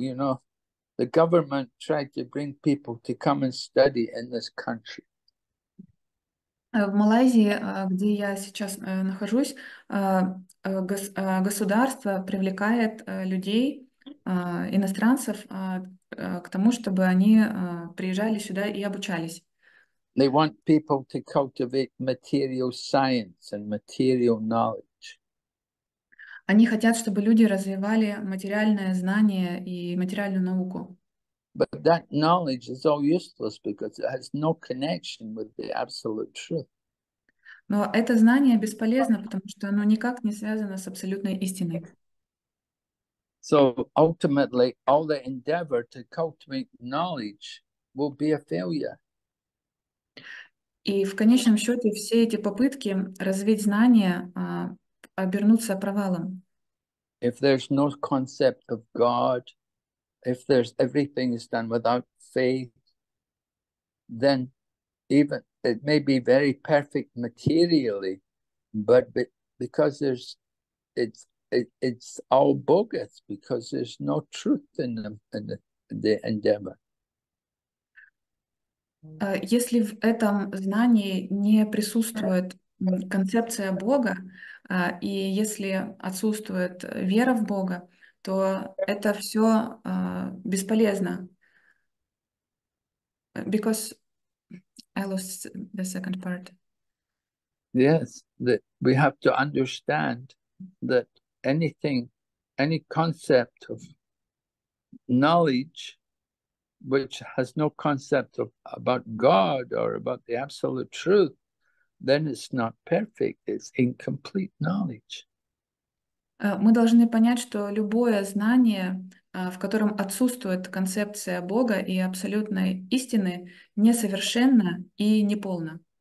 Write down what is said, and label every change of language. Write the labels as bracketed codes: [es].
[en] You know, the government tried to bring people to come and study in this country. [ru] В Малайзии, где я сейчас нахожусь, государство привлекает людей, иностранцев, к тому, чтобы они приезжали сюда и обучались. [en] They want people to cultivate material science and material knowledge. [ru] Они хотят, чтобы люди развивали материальное знание и материальную науку. [en] But that knowledge is all useless because it has no connection with the absolute truth. [ru] Но это знание бесполезно, потому что оно никак не связано с абсолютной истиной. [en] So ultimately, all the endeavor to cultivate knowledge will be a failure. [ru] И в конечном счете все эти попытки развить знания обернутся провалом. [en] If there's no concept of God, if there's everything is done without faith, then even it may be very perfect materially, but because it's all bogus, because there's no truth in the endeavor. [ru] Если в этом знании не присутствует концепция Бога, и если отсутствует вера в Бога, то это все бесполезно. [en] Because I lost the second part. Yes, that we have to understand that anything, any concept of knowledge which has no concept of about God or about the absolute truth, then it's not perfect, it's incomplete knowledge. [ru] Мы должны понять, что любое знание, в котором отсутствует концепция Бога и абсолютной истины, несовершенна и неполна.